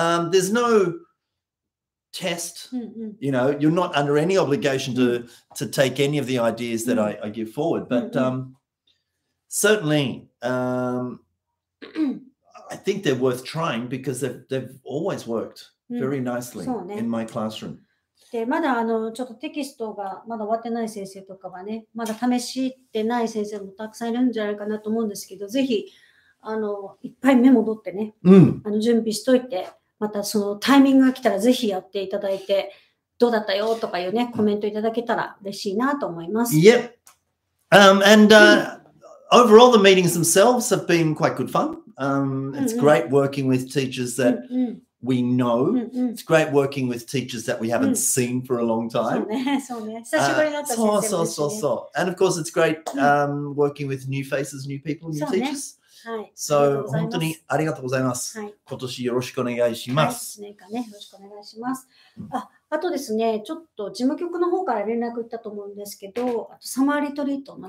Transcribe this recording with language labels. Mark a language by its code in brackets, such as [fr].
[en] There's no test, you know, you're not under any obligation to take any of the ideas that I give forward. But certainly, I think they're worth trying because they've always worked very nicely in my classroom. [ja] で、まだちょっとテキストがまだ終わってない先生とかはね、まだ試してない先生もたくさんいるんじゃないかなと思うんですけど、ぜひ、いっぱいメモ取ってね、準備しといて、またそのタイミングが来たらぜひやっていただいて、どうだったよとかいうね、コメントいただけたら嬉しいなと思います。 [en] Yep. And overall, the meetings themselves have been quite good fun. It's great working with teachers that we know. It's great working with teachers that we haven't seen for a long time. [ja] そうね。久しぶりだった先生もいるしね。 [en] And of course, it's great working with new faces, new people, new teachers. [ja] はい、 so, 本当にありがとうございます。はい、今年よろしくお願いします。はい、1年間ね、よろしくお願いします。あとですね、ちょっと事務局の方から連絡いったと思うんですけど、あとサマーリトリートの、